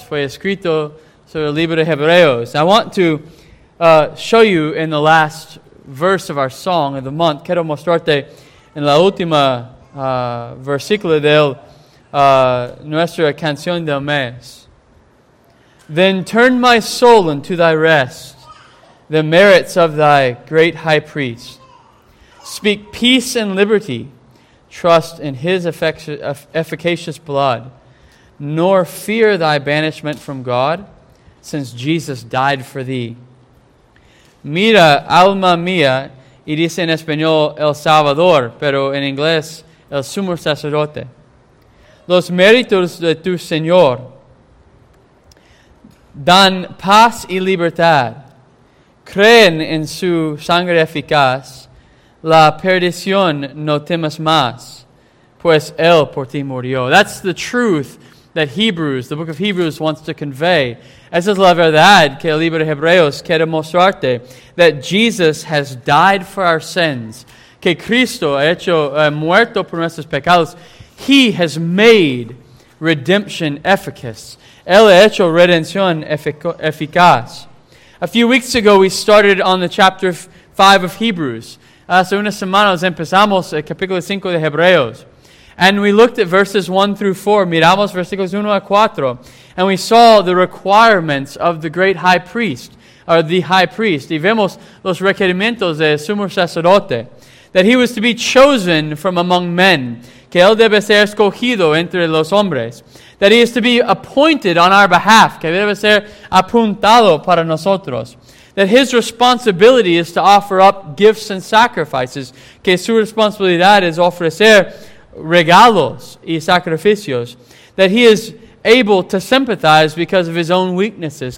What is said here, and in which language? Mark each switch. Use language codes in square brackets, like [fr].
[es] Fue escrito sobre el libro de Hebreos. [en] I want to show you in the last verse of our song of the month. [es] Quiero mostrarte en la última versículo de nuestra canción de mes. [en] Then turn my soul unto thy rest, the merits of thy great high priest. Speak peace and liberty, trust in his efficacious blood, nor fear thy banishment from God, since Jesus died for thee. [es] Mira, alma mía, y dice en español el Salvador, pero en inglés el sumo sacerdote. Los méritos de tu Señor dan paz y libertad. Creen en su sangre eficaz. La perdición no temas más, pues él por ti murió. [en] That's the truth that Hebrews, the book of Hebrews, wants to convey. [es] Esa es la verdad que el libro de Hebreos quiere mostrarte. [en] That Jesus has died for our sins. [es] Que Cristo ha hecho muerto por nuestros pecados. [en] He has made redemption efficaz. [es] Él ha hecho redención eficaz. [en] A few weeks ago, we started on the chapter 5 of Hebrews. [es] Hace unas semanas empezamos el capítulo 5 de Hebreos. [en] And we looked at verses 1 through 4. [es] Miramos versículos 1 a 4. [en] And we saw the requirements of the great high priest, or the high priest. [es] Y vemos los requerimientos del sumo sacerdote. [en] That he was to be chosen from among men. [es] Que él debe ser escogido entre los hombres. [en] That he is to be appointed on our behalf. [es] Que debe ser apuntado para nosotros. [en] That his responsibility is to offer up gifts and sacrifices. [es] Que su responsabilidad es ofrecer regalos y sacrificios. [en] That he is able to sympathize because of his own weaknesses.